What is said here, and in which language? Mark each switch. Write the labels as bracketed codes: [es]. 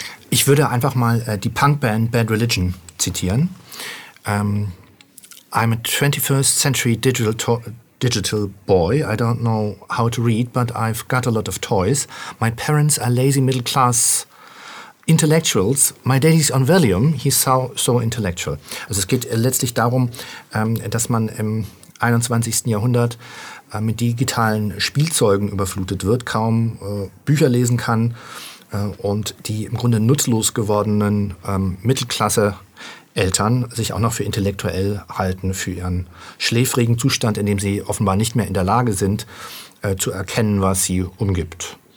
[de] Ich würde einfach mal die Punkband Bad Religion zitieren. [en] I'm a 21st century digital boy. I don't know how to read, but I've got a lot of toys. My parents are lazy middle class intellectuals. My daddy's on Valium. He's so intellectual. [de] Also es geht letztlich darum, dass man im 21. Jahrhundert mit digitalen Spielzeugen überflutet wird, kaum Bücher lesen kann und die im Grunde nutzlos gewordenen Mittelklasse-Eltern sich auch noch für intellektuell halten, für ihren schläfrigen Zustand, in dem sie offenbar nicht mehr in der Lage sind, zu erkennen, was sie umgibt.